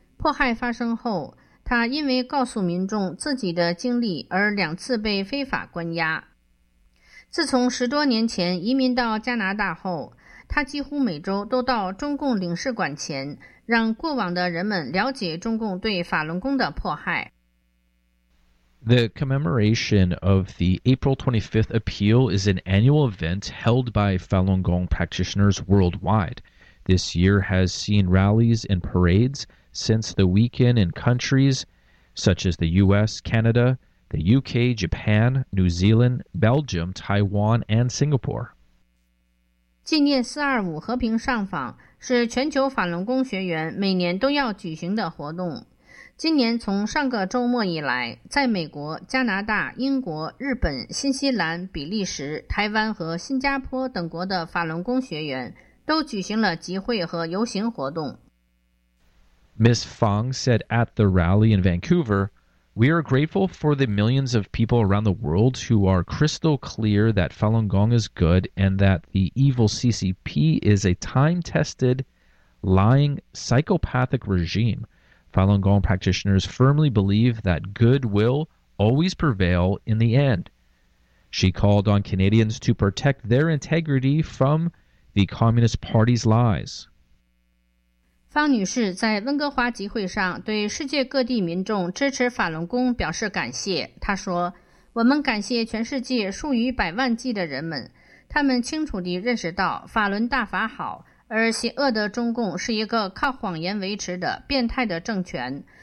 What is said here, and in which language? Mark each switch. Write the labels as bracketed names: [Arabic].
[Chinese] 迫害发生后，他因为告诉民众自己的经历而两次被非法关押。自从10多年前移民到加拿大后，他几乎每周都到中共领事馆前，让过往的人们了解中共对法轮功的迫害。 [English] The commemoration of the April 25th appeal is an annual event held by Falun Gong practitioners worldwide. This year has seen rallies and parades since the weekend in countries such as the US, Canada, the UK, Japan, New Zealand, Belgium, Taiwan, and Singapore. [Chinese] 纪念425和平上访是全球法轮功学员每年都要举行的活动。今年从上个周末以来，在美国、加拿大、英国、日本、新西兰、比利时、台湾和新加坡等国的法轮功学员都举行了集会和游行活动。 [English] Ms. Fang said at the rally in Vancouver, "We are grateful for the millions of people around the world who are crystal clear that Falun Gong is good and that the evil CCP is a time-tested, lying, psychopathic regime." Falun Gong practitioners firmly believe that good will always prevail in the end. She called on Canadians to protect their integrity from the Communist Party's lies. [Chinese] 方女士在温哥华集会上对世界各地民众支持法轮功表示感谢。她说，我们感谢全世界数以百万计的人们，他们清楚地认识到法轮大法好。而邪恶的中共是一个靠谎言维持的变态的政权。